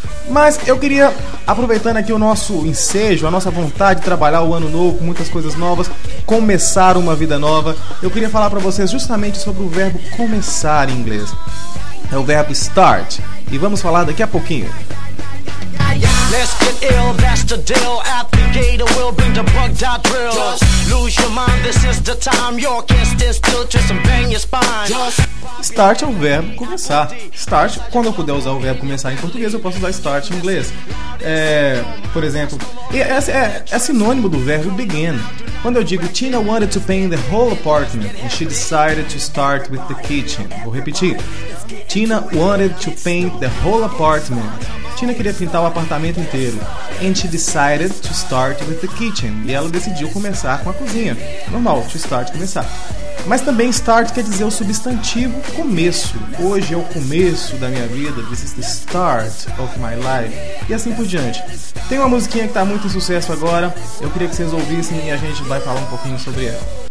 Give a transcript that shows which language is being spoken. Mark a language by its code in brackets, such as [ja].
[pt] Mas eu queria, aproveitando aqui o nosso ensejo, a nossa vontade de trabalhar o ano novo com muitas coisas novas, começar uma vida nova, eu queria falar para vocês justamente sobre o verbo começar em inglês. É o verbo start. E vamos falar daqui a pouquinho. [en] Let's get ill, that's the deal. Applicator will bring the bugged out drill. Just lose your mind, this is the time. Your can't stand still, twist and bang your spine. [pt] Start é o verbo começar. Start, quando eu puder usar o verbo começar em português, eu posso usar start em inglês. Por exemplo, é sinônimo do verbo begin. Quando eu digo [en] Tina wanted to paint the whole apartment and she decided to start with the kitchen. [pt] Vou repetir. [en] Tina wanted to paint the whole apartment. [pt] Tina queria pintar o apartamento inteiro. [en] And she decided to start with the kitchen. [pt] E ela decidiu começar com a cozinha. Normal, to start, começar. Mas também start quer dizer o substantivo começo. Hoje é o começo da minha vida. [en] This is the start of my life. [pt] E assim por diante. Tem uma musiquinha que está muito em sucesso agora. Eu queria que vocês ouvissem e a gente vai falar um pouquinho sobre ela.